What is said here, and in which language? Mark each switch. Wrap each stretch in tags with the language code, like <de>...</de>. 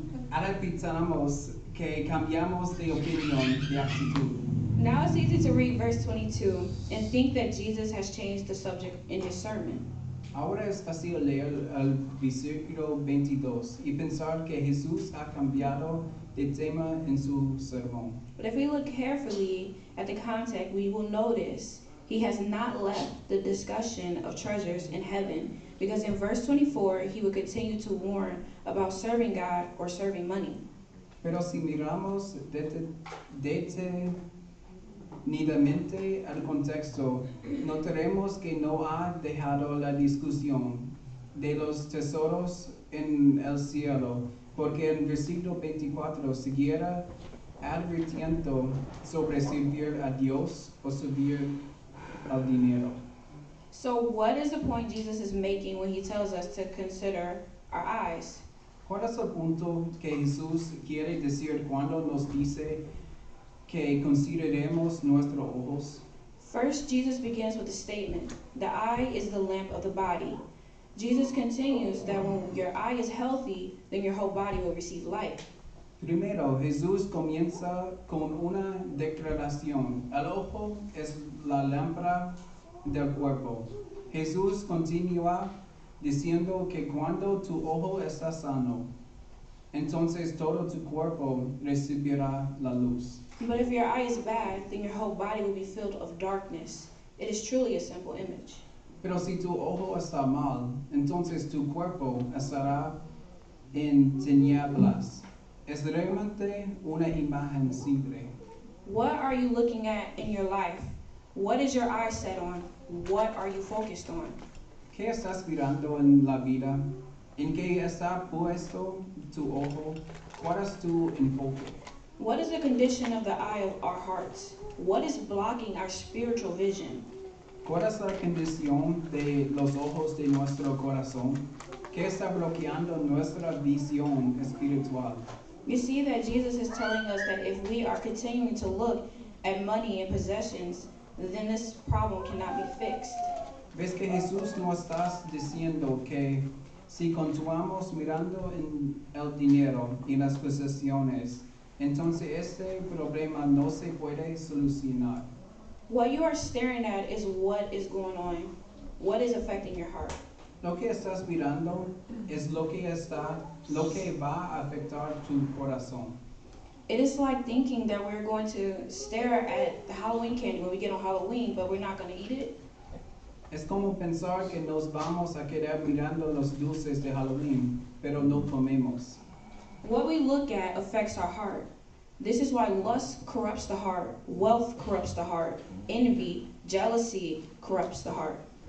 <es>Ahora pensamos que cambiamos de opinión, de actitud.</es> <en>Now it's easy to read verse 22 and think that Jesus has changed the subject in his sermon.</en> <es>Ahora es fácil leer el versículo 22 y pensar que Jesús ha cambiado de tema en su sermón.</es> <en>But if we look carefully at the context, we will notice he has not left the discussion of treasures in heaven, because in verse 24, he would continue to warn about serving God or serving money.</en> <es>Pero si miramos detenidamente al contexto, notaremos que no ha dejado la discusión de los tesoros en el cielo, porque en versículo 24 siguiera advirtiendo sobre servir a Dios o servir al dinero.</es> <en>So what is the point Jesus is making when he tells us to consider our eyes?</en> <es>¿Cuál es el punto que Jesús quiere decir cuando nos dice que consideremos nuestros ojos?</es> <en>First, Jesus begins with a statement. The eye is the lamp of the body. Jesus continues that when your eye is healthy, then your whole body will receive light.</en> <es>Primero, Jesús comienza con una declaración. El ojo es la lámpara del cuerpo. Jesús continúa diciendo que cuando tu ojo está sano, entonces todo tu cuerpo recibirá la luz.</es> <en>But if your eye is bad, then your whole body will be filled of darkness. It is truly a simple image.</en> <es>Pero si tu ojo está mal, entonces tu cuerpo estará en tinieblas. Es realmente una imagen simple.</es> <en>What are you looking at in your life? What is your eye set on? What are you focused on?</en> <es>¿Qué estás mirando en la vida? ¿En qué está puesto tu ojo? ¿Cuál es tu enfoque?</es> <en>What is the condition of the eye of our hearts? What is blocking our spiritual vision?</en> <es>¿Cuál es la condición de los ojos de nuestro corazón? ¿Qué está bloqueando nuestra visión espiritual?</es> <en>You see that Jesus is telling us that if we are continuing to look at money and possessions, then this problem cannot be fixed.</en> <es>¿Ves que Jesús no está diciendo que si continuamos mirando en el dinero y las posesiones, entonces este problema no se puede solucionar?</es> <en>What you are staring at is what is going on, what is affecting your heart.</en> <es>Lo que estás mirando es lo que va a afectar tu corazón.</es> <en>It is like thinking that we're going to stare at the Halloween candy when we get on Halloween, but we're not going to eat it.</en> <es>Es como pensar que nos vamos a quedar mirando los dulces de Halloween, pero no comemos.</es> <en>What we look at affects our heart. This is why lust corrupts the heart, wealth corrupts the heart, envy, jealousy corrupts the heart.</en>